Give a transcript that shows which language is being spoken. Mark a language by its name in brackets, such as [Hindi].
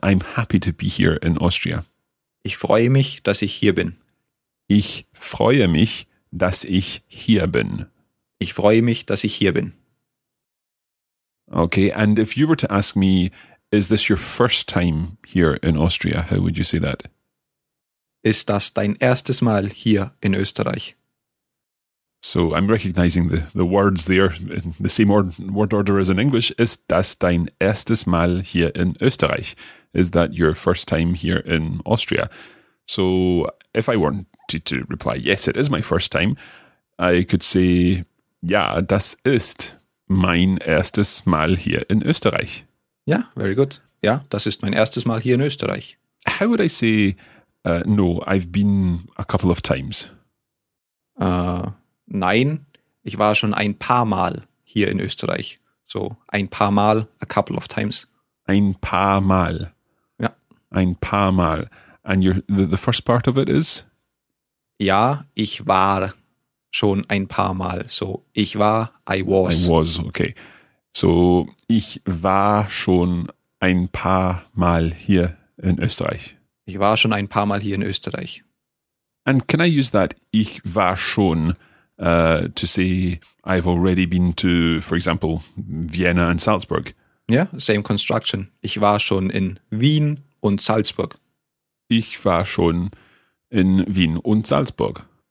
[English] I'm happy to be here in Austria. [German] Ich freue mich, dass ich hier bin. Ich freue mich, dass ich hier bin. Ich freue mich, dass ich hier bin. [English] Okay, and if you were to ask me, is this your first time here in Austria? How would you say that? [German] Ist das dein erstes Mal hier in Österreich? [English] So I'm recognizing the words there in the same word order as in English. [German] Ist das dein erstes Mal hier in Österreich? [English] Is that your first time here in Austria? So if I wanted to reply, yes, it is my first time, I could say, [German] ja, das ist mein erstes Mal hier in Österreich. [English] Yeah, very good. [German] Ja, das ist mein erstes Mal hier in Österreich. [English] How would I say, no, I've been a couple of times? [German] Nein, ich war schon ein paar Mal hier in Österreich. [English] So, [German] ein paar Mal, [English] a couple of times. [German] Ein paar Mal. Ja. Ein paar Mal. [English] And the first part of it is? [German] Ja, ich war schon ein paar Mal. [English] So, [German] ich war, [English] I was. I was, okay. [German] So, ich war schon ein paar Mal hier in Österreich. Ich war schon ein paar Mal hier in Österreich. [English] And can I use that, [German] ich war schon... [English] to say I've already been to, for example, Vienna and Salzburg. Yeah, same construction. [German] Ich war schon in Wien und Salzburg. Ich war schon in Wien und Salzburg.